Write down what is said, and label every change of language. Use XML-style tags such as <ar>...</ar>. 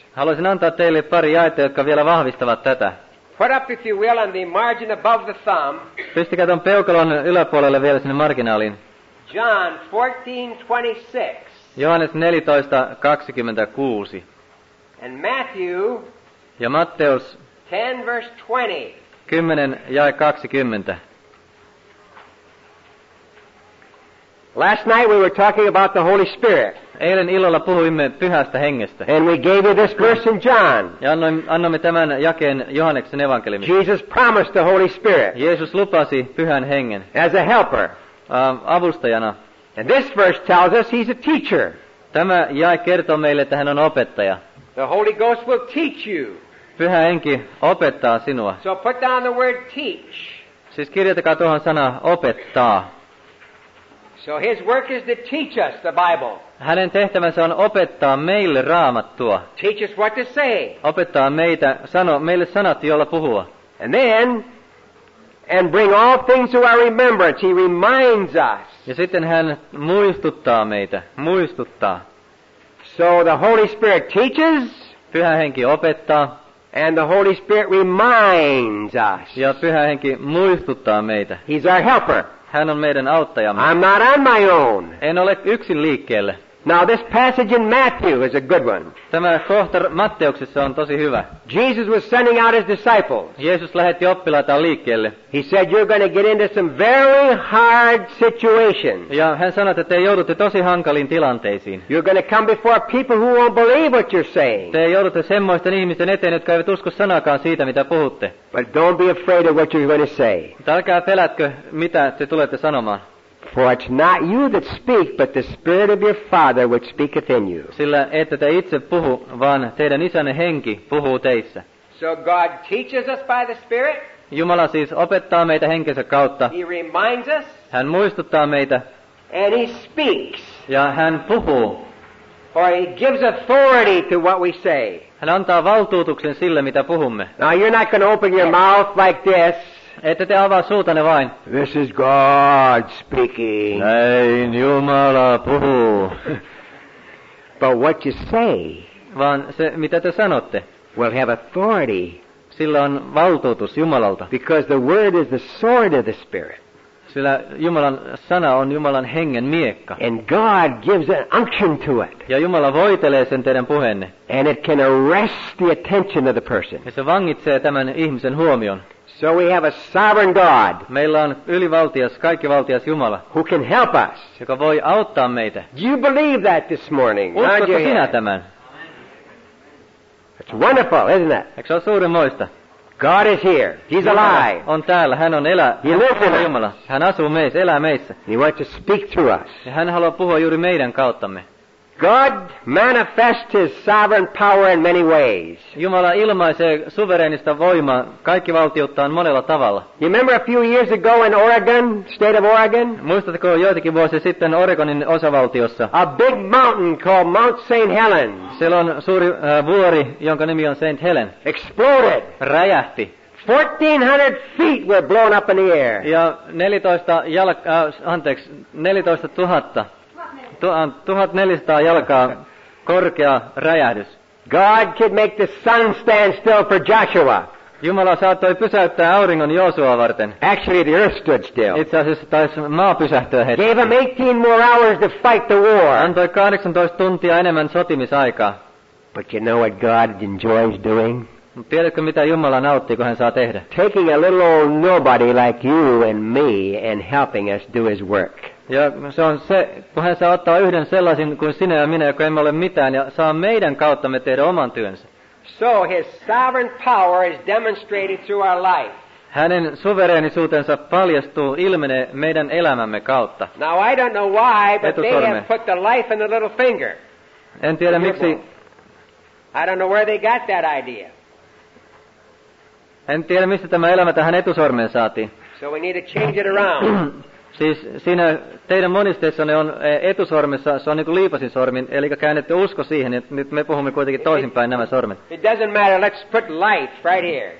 <fi>Haluaisin antaa teille pari jaetta, jotka vielä vahvistavat tätä.</fi> <en>Put up, if you will, on the margin above the thumb.</en> <fi>Pistikää ton peukalon yläpuolelle vielä sinne marginaaliin.</fi> <en>John 14:26.</en> <fi>Johannes 14:26.</fi> <en>And Matthew.</en> <fi>Ja Matteus.</fi> <en>10:20.</en> <fi>10:20.</fi> <en>Last night we were talking about the Holy Spirit.</en> <fi>Eilen illalla puhuimme pyhästä hengestä.</fi> <en>And we gave you this verse in John.</en> <fi>Ja annoimme tämän jakeen Johanneksen evankeliumissa.</fi> <en>Jesus promised the Holy Spirit.</en> <fi>Jeesus lupasi pyhän hengen.</fi> <en>As a helper.</en> <fi>Avustajana.</fi> <en>And this verse tells us he's a teacher.</en> <fi>Tämä jae kertoo meille, että hän on opettaja.</fi> <en>The Holy Ghost will teach you.</en> <fi>Pyhä henki opettaa sinua.</fi> <en>So put down the word teach.</en> <fi>Siis kirjoitakaa tuohon sana opettaa.</fi> <en>So his work is to teach us the Bible.</en> <fi>Hänen tehtävänsä on opettaa meille Raamattua.</fi> <en>Teach us what to say.</en> <fi>Opettaa meitä, sano meille sanat, joilla puhua.</fi> <en>And then, and bring all things to our remembrance. He reminds us.</en> <fi>Ja sitten hän muistuttaa meitä, muistuttaa.</fi> <en>So the Holy Spirit teaches.</en> <fi>Pyhä henki opettaa.</fi> <en>And the Holy Spirit reminds us.</en> <fi>Ja pyhä henki muistuttaa meitä.</fi> <en>He's our helper.</en> <fi>Hän on meidän auttajamme.</fi> <en>I'm not on my own.</en> <fi>En ole yksin liikkeelle.</fi> <en>Now this passage in Matthew is a good one.</en> <fi>Tämä kohta Matteuksessa on tosi hyvä.</fi> <en>Jesus was sending out his disciples.</en> <fi>Jeesus lähetti oppilaitaan liikkeelle.</fi> <en>He said you're going to get into some very hard situations.</en> <fi>Ja hän sanoi, että te joudutte tosi hankaliin tilanteisiin.</fi> <en>You're going to come before people who won't believe what you're saying.</en> <fi>Te joudutte semmoisten ihmisten eteen, jotka eivät usko sanakaan siitä, mitä puhutte.</fi> <en>But don't be afraid of what you're going to say.</en> <fi>Älkää pelätkö, mitä te tulette sanomaan.</fi> <en>For it's not you that speak, but the Spirit of your Father which speaketh in you.</en> <fi>Sillä ette te itse puhu, vaan teidän isänne henki puhuu teissä.</fi> <en>So God teaches us by the Spirit.</en> <fi>Jumala siis opettaa meitä henkensä kautta.</fi> <en>He reminds us.</en> <fi>Hän muistuttaa meitä.</fi> <en>And he speaks.</en> <fi>Ja hän puhuu.</fi> <en>Or he gives authority to what we say.</en> <fi>Hän antaa valtuutuksen sille, mitä puhumme.</fi> <en>Now you're not going to open your mouth like this.</en> <fi>Ette te avaa suutanne vain.</fi> <en>This is God speaking.</en> <fi>Näin Jumala puhuu.</fi> <en>But what you say.</en> <fi>Vaan se, mitä te sanotte.</fi> <en>Will have authority.</en> <fi>Sillä on valtuutus Jumalalta.</fi> <en>Because the word is the sword of the Spirit.</en> <fi>Sillä Jumalan sana on Jumalan hengen miekka.</fi> <en>And God gives an unction to it.</en> <fi>Ja Jumala voitelee sen teidän puheenne.</fi> <en>And it can arrest the attention of the person.</en> <fi>Ja se vangitsee tämän ihmisen huomion.</fi> <en>So we have a sovereign God.</en> <fi>Meillä on ylivaltias, kaikkivaltias Jumala.</fi> <en>Who can help us?</en> <fi>Joka voi auttaa meitä.</fi> <en>You believe that this morning?</en> <fi>Uskotko sinä tämän?</fi> <en>It's wonderful, isn't it?</en> <fi>Eikö se ole suurenmoista?</fi> <en>God is here. He's</en> <fi>Jumala</fi> <en>alive.</en> <fi>On täällä. Hän on elä.</fi> <en>He lives in us.</en> <fi>Hän asuu meissä, elää meissä.</fi> <en>He wants to speak through us.</en> <fi>Ja hän haluaa puhua juuri meidän kauttamme.</fi> <en>God manifests his sovereign power in many ways.</en> <fi>Jumala ilmaisee suvereenista voimaa kaikki valtiottaan monella tavalla.</fi> <en>You remember a few years ago in Oregon, state of Oregon?</en> <fi>Muistatko joitakin vuosia sitten Oregonin osavaltiossa?</fi> <en>A big mountain called Mount St. Helens.</en> <fi>Siellä on suuri vuori, jonka nimi on St. Helens.</fi> <en>Exploded.</en> <fi>Räjähti.</fi> <en>1400 feet were blown up in the air.</en> <fi>Ja 14,000. 1400 jalkaa korkea räjähdys.</fi> <en>God could make the sun stand still for Joshua.</en> <fi>Jumala saattoi pysäyttää auringon Joosua varten.</fi> <en>Actually, the earth stood still.</en> <fi>Itse asiassa taisi maa pysähtyä heti.</fi> <en>Gave him 18 more hours to fight the war.</en> <fi>Antoi 18 tuntia enemmän sotimisaikaa.</fi> <en>But you know what God enjoys doing?</en> <fi>Tiedätkö, mitä Jumala nauttii, kun hän saa tehdä?</fi> <en>Taking a little old nobody like you and me and helping us do his work.</en> <fi>Ja se on se, kun hän saa ottaa yhden sellaisen kuin sinä ja minä, joka emme ole mitään, ja saa meidän kauttamme tehdä oman työnsä.</fi> <en>So his sovereign power is demonstrated through our life.</en> <fi>Hänen suvereenisuutensa paljastuu, ilmenee meidän elämämme kautta.</fi> <en>Now I don't know why, but they have put the life in the little finger.</en> <fi>En tiedä miksi.</fi> <en>I don't know where they got that idea.</en> <fi>En tiedä, mistä tämä elämä tähän etusormeen saatiin.</fi> <en>So we need to change it around.</en> <fi>Siis siinä teidän monisteissanne on etusormissa, se on niin kuin liipasin sormin, eli käännette usko siihen, että nyt me puhumme kuitenkin toisinpäin nämä sormet.</fi> <en>It doesn't matter, let's put life right here.</en>